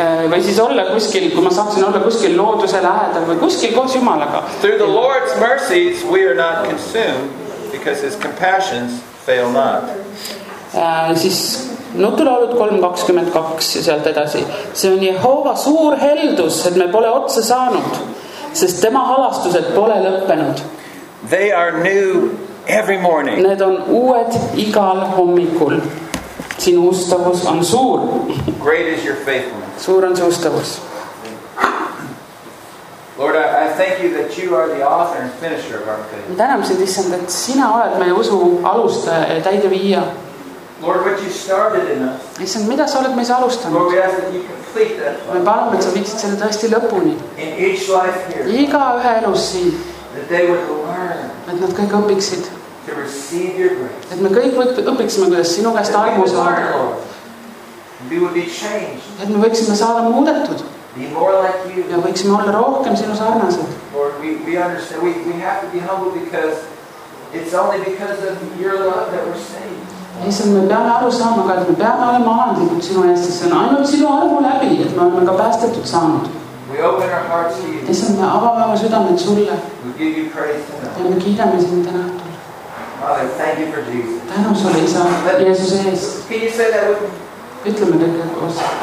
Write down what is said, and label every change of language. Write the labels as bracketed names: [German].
[Estonian] Või siis olla kuskil, kui ma saaksin olla kuskil looduse lähedal või kuskil koos jumalaga. [English] Through the Lord's mercies we are not consumed because his compassions fail not. [Estonian] Siis nutulaulud 3.22 ja sealt edasi. See on Jehova suur heldus, et me pole otsa saanud, sest tema halastused pole lõppenud. [English] They are new every morning. [Estonian] Need on uued igal hommikul. Sinu ustavus on suur. [English] Great is your faithfulness. [Estonian] Suur on su ustavus. [English] Lord, I thank you that you are the author and finisher of our faith. [Estonian] Tänamsid issand, et sina oled meie usu alustaja ja täide viia. [English] Lord, what you started in us. [Estonian] Isand, mida sa oled meis alustanud? [English] Lord, we ask that you complete that life. [Estonian] Me palame, et sa viitsid selle tõesti lõpuni. [English] In each life here. [Estonian] Iga ühe elus siin. [English] That they would learn. [Estonian] Et nad kõik õpiksid. [English] To receive your grace. [Estonian] Et me kõik õpiksime, kuidas sinu käest armu saada. [English] We would be changed. [Estonian] Et me võiksime saada muudetud. [English] Be more like you. [Estonian] Ja võiksime olla rohkem sinu sarnased. [English] Lord, we understand. We have to be humble because it's only because of your love that we're saved. [Estonian] Isand, me peame aru saama ka, et me peame olema alandlikud sinu eest, see on ainult sinu armu läbi, et me oleme ka päästetud saanud. [English] We open our hearts to you. [Estonian] Isand, me avame oma südamed sulle. [English] We give you praise tonight. [Estonian] Ja me kiidame sinu täna õhtul. [English] Father, thank you for Jesus. [Estonian] Tänu sulle, Isa, Jeesus ees. [English] Can you say that with me? [Estonian] Ütleme tegelikult koos.